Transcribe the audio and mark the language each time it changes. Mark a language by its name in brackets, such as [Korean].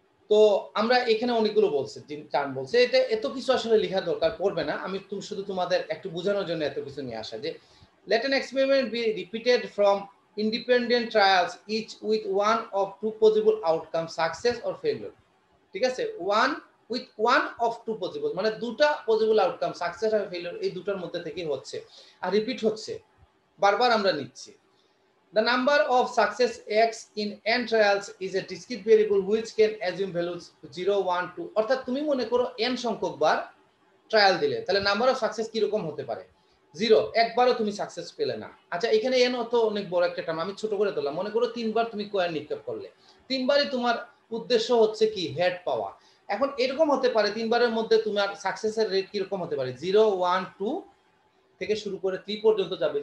[Bangla] তো আমরা এখানে অনেকগুলো বলছে টার্ম বলছে, এটা এত কিছু আসলে লেখা দরকার পড়বে না, আমি তুমি শুধু তোমাদের একটু বোঝানোর জন্য এত কিছু নিয়ে আসা, যে [English] Let an experiment be repeated from independent trials each with one of two possible outcome success or failure. [Bangla] ঠিক আছে, [English] one with one of two possible [Bangla] মানে দুটা পসিবল আউটকাম সাকসেস আর ফেলিওর এই দুটার মধ্যে থেকেই হচ্ছে আর রিপিট হচ্ছে বারবার আমরা নিচ্ছি। [English] The number of success x in n trials is a discrete variable which can assume values 0, 1, 2. [Bangla] অর্থাৎ তুমি মনে করো n সংখ্যক বার ট্রায়াল দিলে, তাহলে নাম্বার অফ সাকসেস কিরকম হতে পারে, জিরো, একবারও তুমি সাকসেস পেলে না। আচ্ছা, এখানে n অত অনেক বড় একটা টার্ম আমি ছোট করে ধরলাম, মনে করো তিনবার তুমি কয়েন নিক্ষেপ করলে, তিনবারই তোমার উদ্দেশ্য হচ্ছে কি, হেড পাওয়া। এখন এরকম হতে পারে তিনবারের মধ্যে তোমার সাকসেসের রেট কিরকম হতে পারে, জিরো, ওয়ান, টু থেকে শুরু করে থ্রি পর্যন্ত যাবে।